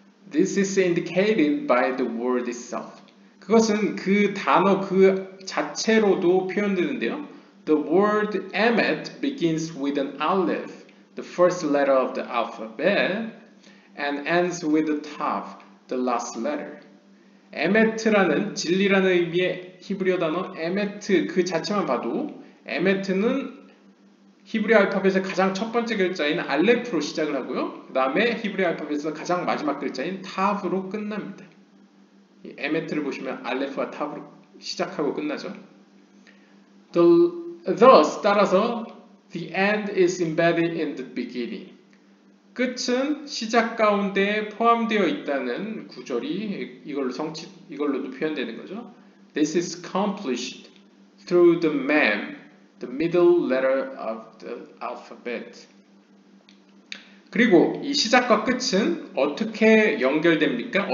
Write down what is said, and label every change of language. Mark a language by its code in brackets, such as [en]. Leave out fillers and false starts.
[en] This is indicated by the word itself. [ko] 그것은 그 단어 그 자체로도 표현되는데요. [en] The word emet begins with an aleph, the first letter of the alphabet, and ends with the tav, the last letter. [ko] emet라는 진리라는 의미의 히브리어 단어 emet 그 자체만 봐도 emet는 히브리어 알파벳의 가장 첫 번째 글자인 알레프로 시작을 하고요. 그 다음에 히브리어 알파벳에서 가장 마지막 글자인 타브로 끝납니다. 이 에메트를 보시면 알레프와 타브로 시작하고 끝나죠. [en] Thus, [ko] 따라서 [en] the end is embedded in the beginning. [ko] 끝은 시작 가운데 포함되어 있다는 구절이 이걸로도 표현되는 거죠. [en] This is accomplished through the mem. The middle letter of the alphabet. [ko] 그리고 이 시작과 끝은 어떻게 연결됩니까?